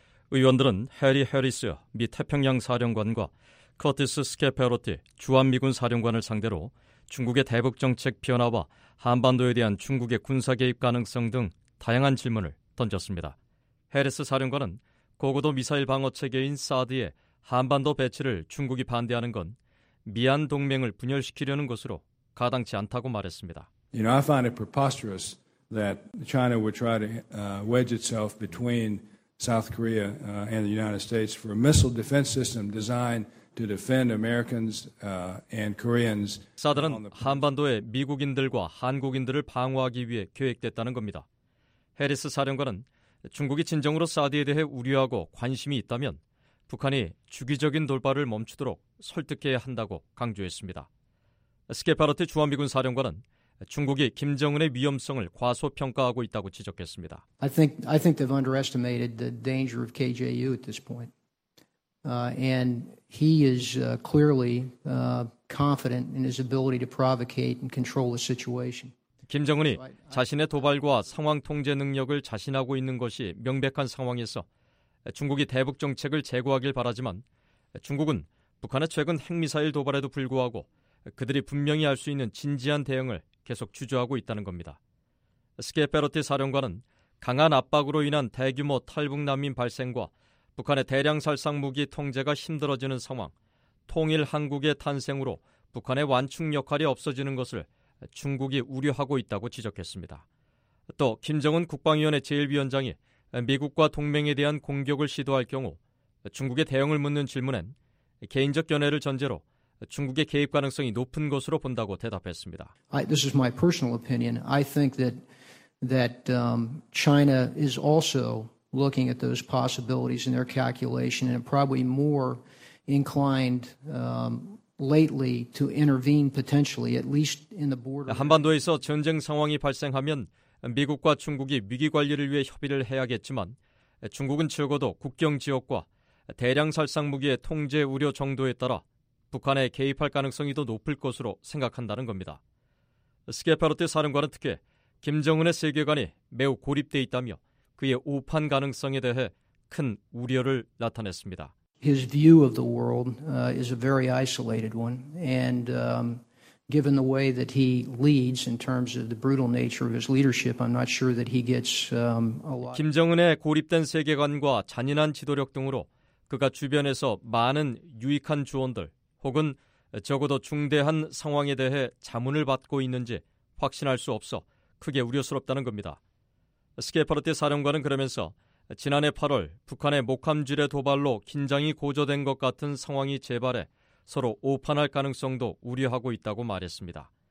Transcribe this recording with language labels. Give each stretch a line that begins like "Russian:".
Korean: 의원들은 해리 해리스 미 태평양 사령관과 커티스 스케페로티 주한미군 사령관을 상대로 중국의 대북정책 변화와 한반도에 대한 중국의 군사개입 가능성 등 다양한 질문을 던졌습니다. 해리스 사령관은 고고도 미사일 방어체계인 사드의 한반도 배치를 중국이 반대하는 건 미한 동맹을 분열시키려는 것으로 가당치 않다고 말했습니다.
English: You know, I find it preposterous that China would try to wedge itself between South Korea and the United States for a missile defense system designed to defend Americans and Koreans.
Korean: 사드는 한반도에 미국인들과 한국인들을 방어하기 위해 계획됐다는 겁니다. 해리스 사령관은 중국이 진정으로 사드에 대해 우려하고 관심이 있다면 북한이 주기적인 돌발을 멈추도록 설득해야 한다고 강조했습니다. 스케파르트 주한미군 사령관은 중국이 김정은의 위험성을 과소평가하고 있다고 지적했습니다.
English: I think they've underestimated the danger of KJU at this point. And he is clearly confident in his ability to provocate and control the situation.
Korean: 김정은이 자신의 도발과 상황 통제 능력을 자신하고 있는 것이 명백한 상황에서 중국이 대북 정책을 재고하길 바라지만 중국은 북한의 최근 핵미사일 도발에도 불구하고 그들이 분명히 할 수 있는 진지한 대응을 계속 주저하고 있다는 겁니다. 스케페로티 사령관은 강한 압박으로 인한 대규모 탈북난민 발생과 북한의 대량 살상 무기 통제가 힘들어지는 상황, 통일 한국의 탄생으로 북한의 완충 역할이 없어지는 것을 중국이 우려하고 있다고 지적했습니다. 또 김정은 국방위원회 제1위원장이 미국과 동맹에 대한 공격을 시도할 경우 중국의 대응을 묻는 질문엔 개인적 견해를 전제로 중국의 개입 가능성이 높은 것으로 본다고 대답했습니다.
English: This is my personal opinion. I think that China is also looking at those possibilities in their calculation and probably more inclined lately to intervene potentially at least in the border.
Korean: 한반도에서 전쟁 상황이 발생하면 미국과 중국이 위기 관리를 위해 협의를 해야겠지만 중국은 적어도 국경 지역과 대량 살상 무기의 통제 우려 정도에 따라 북한에 개입할 가능성이 더 높을 것으로 생각한다는 겁니다. 스케파르트 사령관은 특히 김정은의 세계관이 매우 고립돼 있다며 그의 오판 가능성에 대해 큰 우려를 나타냈습니다.
English: His view of the world is a very isolated one, and given the way that he leads in terms of the brutal nature of his leadership, I'm not sure that he gets a lot.
Korean: 김정은의 고립된 세계관과 잔인한 지도력 등으로 그가 주변에서 많은 유익한 조언들 혹은 적어도 중대한 상황에 대해 자문을 받고 있는지 확신할 수 없어 크게 우려스럽다는 겁니다. 스케파르티 사령관은 그러면서 지난해 8월 북한의 목함질의 도발로 긴장이 고조된 것 같은 상황이 재발해 서로 오판할 가능성도 우려하고 있다고 말했습니다.